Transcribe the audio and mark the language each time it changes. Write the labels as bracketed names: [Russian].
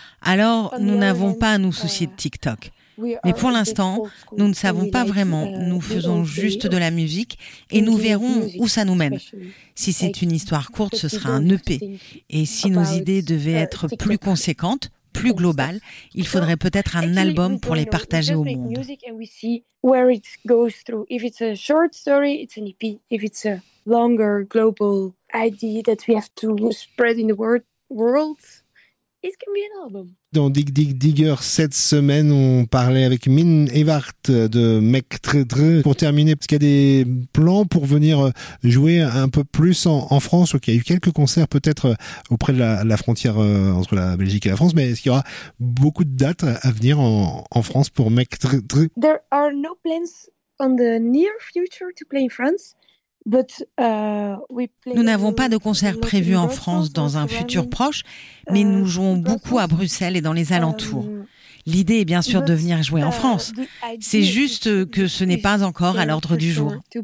[French] Alors, nous n'avons pas à nous soucier de TikTok. Mais pour l'instant, nous ne savons pas vraiment. Nous faisons juste de la musique et nous verrons où ça nous mène. Si c'est une histoire courte, ce sera un EP. Et si nos idées devaient être plus conséquentes, plus global, il faudrait peut-être un album pour les partager au monde. [English] Music and we see where it goes through. If it's a short story, it's an EP. If it's a longer global idea that we have to spread in the world, it can be an album. [French] Dans Dig Dig Digger cette semaine, on parlait avec Min Evart de Mec Tredre. Pour terminer, est-ce qu'il y a des plans pour venir jouer un peu plus en France, ou qu'il y a eu quelques concerts peut-être auprès de la frontière entre la Belgique et la France, mais est-ce qu'il y aura beaucoup de dates à venir en France pour Mec Tredre? [English] There are no plans on the near future to play in France. [French] Nous n'avons pas de concert prévu en France dans un futur proche, mais nous jouons beaucoup à Bruxelles et dans les alentours. L'idée est bien sûr de venir jouer en France. C'est juste que ce n'est pas encore à l'ordre du jour.